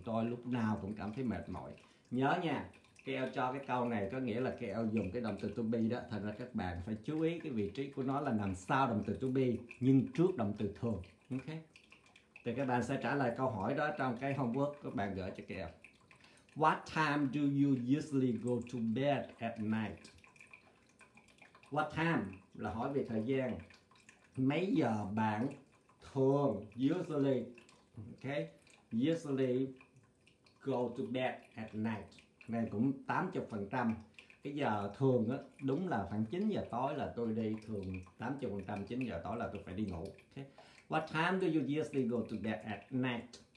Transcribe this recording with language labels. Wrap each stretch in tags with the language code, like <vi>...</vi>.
<vi>Tôi lúc nào cũng cảm thấy mệt mỏi. Nhớ nha, KL cho cái câu này có nghĩa là KL dùng cái động từ to be đó. Thật ra các bạn phải chú ý cái vị trí của nó là nằm sau động từ to be nhưng trước động từ thường. Ok. Thì các bạn sẽ trả lời câu hỏi đó trong cái homework các bạn gửi cho KL.</vi> <en>What time do you usually go to bed at night? What time</en> <vi>là hỏi về thời gian. Mấy giờ bạn thường</vi> <en>usually, okay, usually go to bed at night.</en> <vi>Này cũng 80%. Cái giờ thường á đúng là khoảng 9 giờ tối là tôi đi, thường 80% 9 giờ tối là tôi phải đi ngủ.</vi> <en>Okay. What time do you usually go to bed at night?</en>